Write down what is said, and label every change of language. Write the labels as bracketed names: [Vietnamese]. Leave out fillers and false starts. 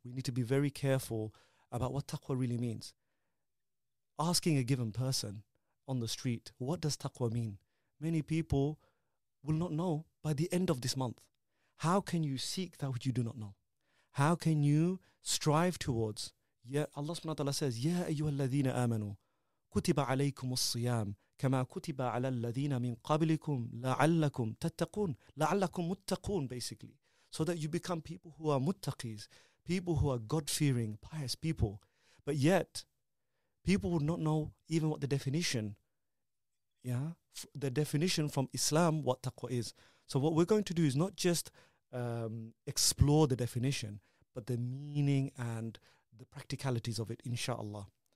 [English] We need to be very careful about what taqwa really means. Asking a given person on the street, what does taqwa mean? Many people will not know by the end of this month. How can you seek that which you do not know? How can you strive towards? Yeah, Allah subhanahu wa ta'ala says, [Arabic] Ya ayyuha alladhina amanu, kutiba alaykum as-siyam. كَمَا كُتِبَ عَلَى الَّذِينَ مِنْ قَبْلِكُمْ لَعَلَّكُمْ تَتَّقُونَ لَعَلَّكُمْ مُتَّقُونَ, basically. [English] So that you become people who are muttaqis, people who are God-fearing, pious people. But yet, people would not know even what the definition, yeah, the definition from Islam, what taqwa is. So what we're going to do is not just explore the definition, but the meaning and the practicalities of it, inshallah.